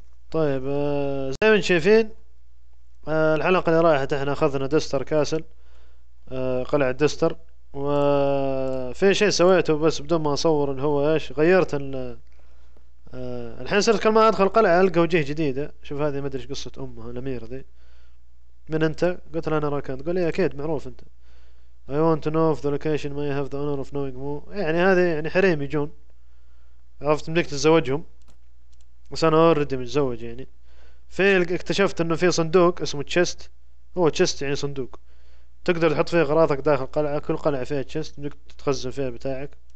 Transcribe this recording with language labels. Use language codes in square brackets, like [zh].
[ar] طيب زي ما انتم شايفين الحلقة اللي راحت احنا اخذنا دستر كاسل، قلعة دستر، وفي شيء سويته بس بدون ما اصور اللي هو ايش، غيرت الحين صرت كل ما ادخل قلعة القى وجهة جديدة. شوف هذه ما ادري ايش قصة امها الاميرة ذي، من انت؟ قلت له انا راكان. قال لي اكيد معروف انت. [en] I want to know if the location may have the honor of knowing who. [ar] يعني هذه يعني حريم يجون، عرفت، مديك تتزوجهم، بس انا اوريدي متزوج يعني. في اكتشفت انه في صندوق اسمه تشست، هو تشست يعني صندوق تقدر تحط فيه اغراضك داخل قلعة، كل قلعة فيها تشست مديك تتخزن فيها بتاعك.